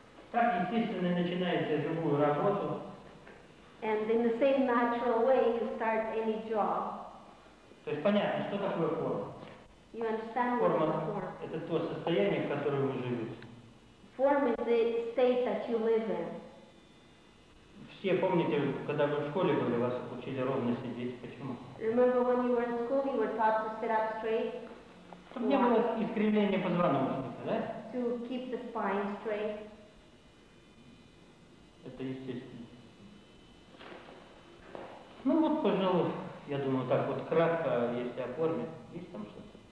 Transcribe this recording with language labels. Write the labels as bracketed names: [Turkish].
[Russian] Так естественно начинаете любую работу. [English] And in the same natural way you start any job. [Russian] То есть понятно, что такое форма. [English] You understand [Russian] форма это то состояние, в котором вы живете. [English] Form is the state that you live in. [Russian] Все помните, когда вы в школе были, вас учили ровно сидеть. Почему? [English] Remember when you were in school, you were taught to sit up straight? [Russian] Чтобы не было искривления позвоночника, да? [English] To keep the spine straight. [Russian] Это естественно. Ну вот, пожалуй, я думаю, так вот кратко, если о форме, есть там что-то?